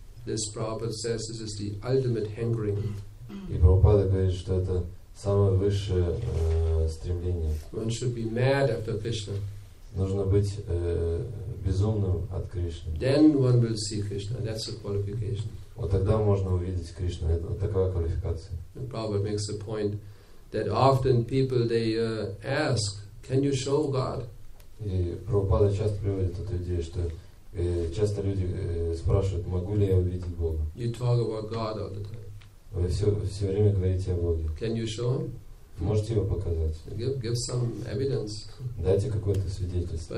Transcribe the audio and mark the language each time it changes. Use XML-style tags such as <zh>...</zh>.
<en>This Prabhupada says this is the ultimate hankering.</en> <ru>И Прабхупада говорит, что это самое высшее стремление.</ru> <en>One should be mad after Krishna.</en> <ru>Нужно быть безумным от Кришны.</ru> <en>Then one will see Krishna. That's a qualification.</en> <ru>Вот тогда можно увидеть Кришну. Это такая квалификация.</ru> <en>And Prabhupada makes a point that often people they ask. Can you show God?</en> <ru>И Прабхупада часто приводит эту идею, что часто люди спрашивают, могу ли я увидеть Бога?</ru> <en>You talk about God all the time.</en> <ru>Вы все время говорите о Боге.</ru> <en>Can you show him?</en> <ru>Можете его показать?</ru> <en>Give some evidence.</en> <ru>Дайте какое-то свидетельство.</ru>